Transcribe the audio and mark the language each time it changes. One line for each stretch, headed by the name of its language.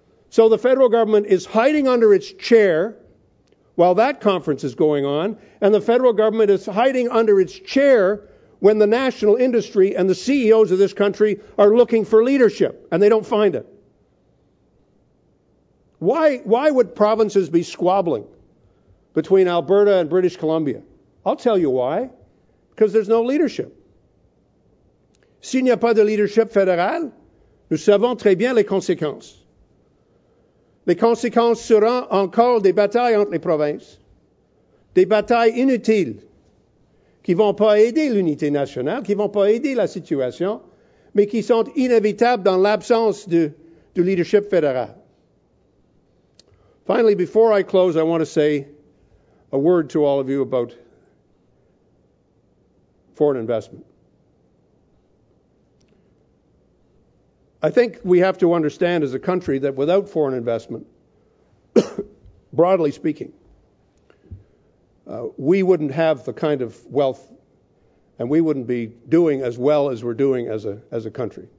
English: So the federal government is hiding under its chair while that conference is going on, and the federal government is hiding under its chair when the national industry and the CEOs of this country are looking for leadership, and they don't find it. Why would provinces be squabbling between Alberta and British Columbia? I'll tell you why. Because there's no leadership.
French: S'il n'y a pas de leadership fédéral, nous savons très bien les conséquences. Les conséquences seront encore des batailles entre les provinces, des batailles inutiles qui ne vont pas aider l'unité nationale, qui ne vont pas aider la situation, mais qui sont inévitables dans l'absence du leadership fédéral.
English: Finally, before I close, I want to say a word to all of you about foreign investment. I think we have to understand as a country that without foreign investment, broadly speaking, we wouldn't have the kind of wealth and we wouldn't be doing as well as we're doing as a country.